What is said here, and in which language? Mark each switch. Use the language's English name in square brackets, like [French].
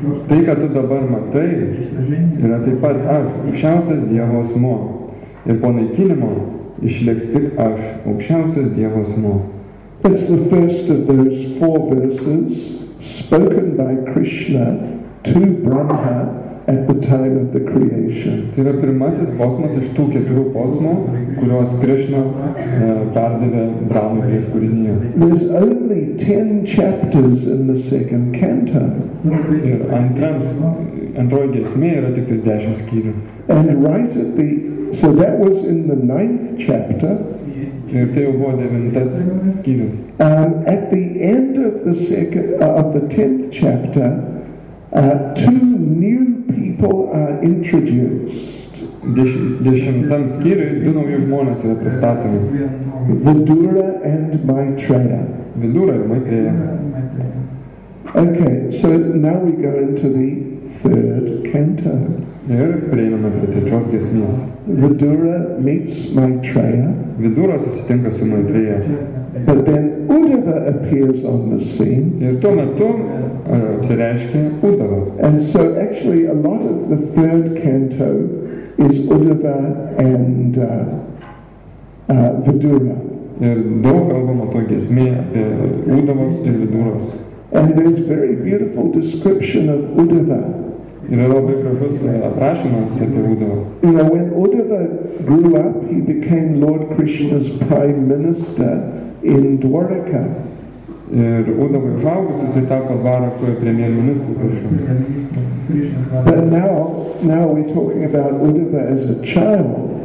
[Lithuanian] Tai, ką tu dabar matai, yra taip pat aš, aukščiausias Dievo asmuo. Ir po naikinimo išliks tik aš, aukščiausias Dievo asmuo. [English] It's the first of those four verses spoken by Krishna to Brahma at the time of the creation. [Lithuanian] Tai yra pirmasis posmas iš tų keturių posmų, kuriuos Krishna perdavė Brahmai prieš kūrinyje. [English] There's only 10 chapters in the second canto. [Lithuanian] Ir antroji giesmė yra tik 10 skyrių. [English] And right at the, so that was in the 9th chapter. [Lithuanian] Ir tai jau buvo devintas skyrius. [English] At the end of the second, of the 10th chapter, two new people are introduced. [Lithuanian] Dešimtam skyriui du nauji žmonės yra pristatomi. [English] Vidura and Maitreya. [Lithuanian] Vidura ir Maitreya. [English] Okay, so now we go into the 3rd canto. [Lithuanian] Ir prieiname prie trečios giesmės. [English] Vidura meets Maitreya. [Lithuanian] Vidura susitinka su Maitreya. [English] But then Uddhava appears on the scene. [Lithuanian] Ir tuo metu apsireiškia Uddhava. [English] And so actually a lot of the 3rd canto is Uddhava and Vidura. [Lithuanian] Ir daug kalbama toj giesmė apie Uddhavos ir Viduros. [English] And there's very beautiful description of Uddhava. [Lithuanian] Yra labai gražus aprašymas apie Uddhavą. [English] You know, when Uddhava grew up, he became Lord Krishna's prime minister in Dwaraka. [Lithuanian] Ir Uddhava užaugus, jisai tapo Dvarakoje premjer ministru Krishna. [English] But now we're talking about Uddhava as a child.